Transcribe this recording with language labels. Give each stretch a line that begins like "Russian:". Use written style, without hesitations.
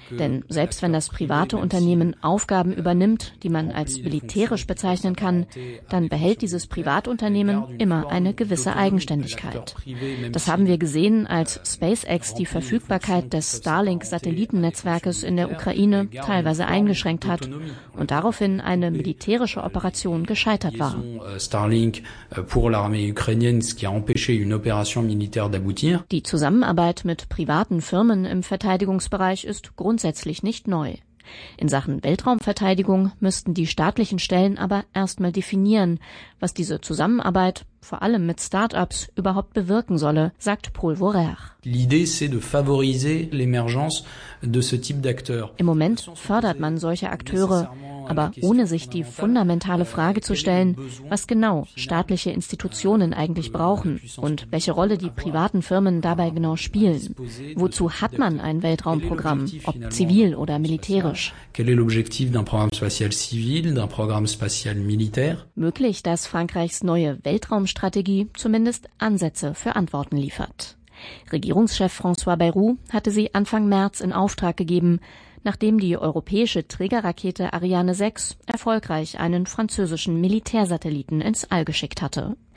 German: Denn selbst wenn das private Unternehmen Aufgaben übernimmt, die man als militärisch bezeichnen kann, dann behält dieses Privatunternehmen immer eine gewisse Eigenständigkeit. Das haben wir gesehen, als SpaceX die Verfügbarkeit des Starlink-Satellitennetzwerkes in der Ukraine teilweise eingeschränkt hat und daraufhin eine militärische Operation gescheitert war.
French: Starlink pour l'armée ukrainienne, ce qui a empêché une opération militaire d'aboutir.
German: Die Zusammenarbeit mit privaten Firmen im Verteidigungsbereich ist grundsätzlich nicht neu. In Sachen Weltraumverteidigung müssten die staatlichen Stellen aber erstmal definieren, was diese Zusammenarbeit, vor allem mit Start-ups, überhaupt bewirken solle, sagt Paul Vorer.
French: L'idée c'est de favoriser l'émergence de ce type d'acteurs.
German: Im Moment fördert man solche Akteure, aber ohne sich die fundamentale Frage zu stellen, was genau staatliche Institutionen eigentlich brauchen und welche Rolle die privaten Firmen dabei genau spielen. Wozu hat man ein Weltraumprogramm, ob zivil oder militärisch?
French: Quel est l'objectif d'un programme spatial civil, d'un programme spatial militaire?
German: Möglich, dass Frankreichs neue Weltraumstrategie zumindest Ansätze für Antworten liefert. Regierungschef François Bayrou hatte sie Anfang März in Auftrag gegeben, nachdem die europäische Trägerrakete Ariane 6 erfolgreich einen französischen Militärsatelliten ins All geschickt hatte.